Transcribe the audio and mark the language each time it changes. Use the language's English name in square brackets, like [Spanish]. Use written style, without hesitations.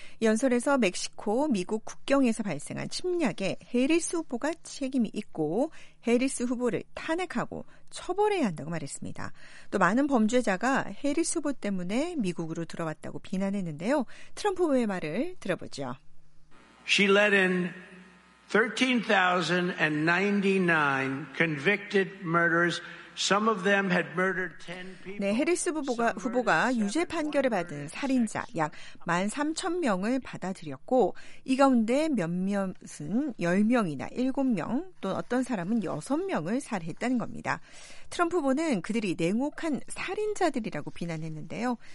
[Korean] 연설에서 멕시코 미국 국경에서 발생한 침략에 해리스 후보가 책임이 있고 해리스 후보를 탄핵하고 처벌해야 한다고 말했습니다. 또 많은 범죄자가 해리스 후보 때문에 미국으로 들어왔다고 비난했는데요. 트럼프 후보의 말을 들어보죠. [English] She let in 13,099 convicted murderers. Some of them had murdered 10 people. [Korean] 네, 해리스 후보가 유죄 판결을 받은 살인자 약 13,000명을 받아들였고 이 가운데 몇몇은 10명이나 7명 또 어떤 사람은 6명을 살해했다는 겁니다. 트럼프 후보는 그들이 냉혹한 살인자들이라고 비난했는데요.